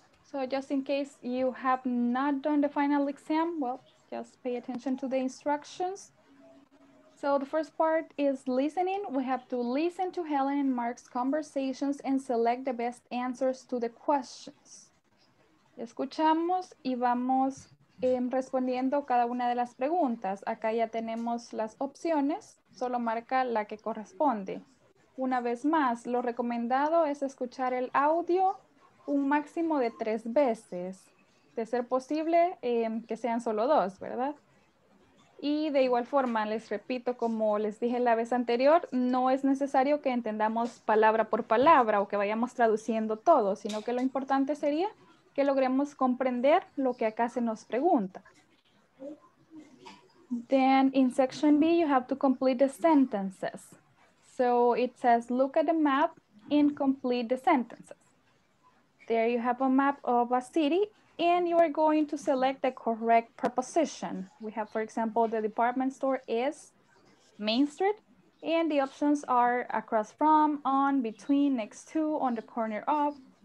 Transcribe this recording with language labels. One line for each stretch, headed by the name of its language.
English: So just in case you have not done the final exam, well, just pay attention to the instructions. So the first part is listening. We have to listen to Helen and Mark's conversations and select the best answers to the questions.
Spanish: Escuchamos y vamos respondiendo cada una de las preguntas. Acá ya tenemos las opciones, solo marca la que corresponde. Una vez más, lo recomendado es escuchar el audio un máximo de 3 veces. De ser posible, que sean solo 2, ¿verdad? Y de igual forma, les repito, como les dije la vez anterior, no es necesario que entendamos palabra por palabra o que vayamos traduciendo todo, sino que lo importante sería que logremos comprender lo que acá se nos pregunta.
English: Then in section B, you have to complete the sentences. So it says, look at the map and complete the sentences. There you have a map of a city and you are going to select the correct preposition. We have, for example, the department store is Main Street, and the options are across from, on, between, next to, on the corner of.